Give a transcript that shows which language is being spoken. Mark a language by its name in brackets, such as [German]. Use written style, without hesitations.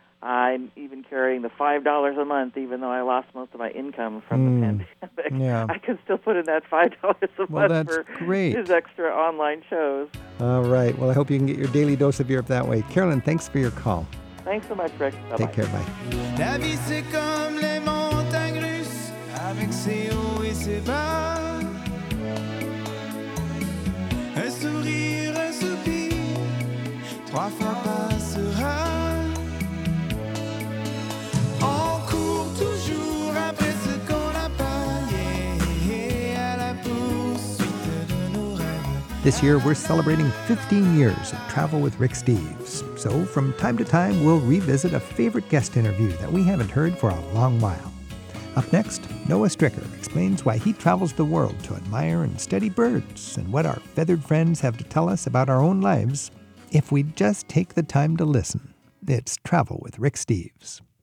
[English] I'm even carrying the $5 a month, even though I lost most of my income from the pandemic. Yeah. I can still put in that $5 a month his extra online shows. All right. Well, I hope you can get your daily dose of Europe that way. Carolyn, thanks for your call. Thanks so much, Rick. Bye-bye. Take care. Bye. [French] La vie, c'est comme les montagnes russes, avec ses hauts et ses bas. Un sourire, un soupir, trois fois passera. On court toujours après ce qu'on n'a pas, yeah, à la poursuite de nos rêves. [English] This year, we're celebrating 15 years of travel with Rick Steves. So, from time to time, we'll revisit a favorite guest interview that we haven't heard for a long while. Up next, Noah Stricker explains why he travels the world to admire and study birds and what our feathered friends have to tell us about our own lives if we just take the time to listen. It's Travel with Rick Steves.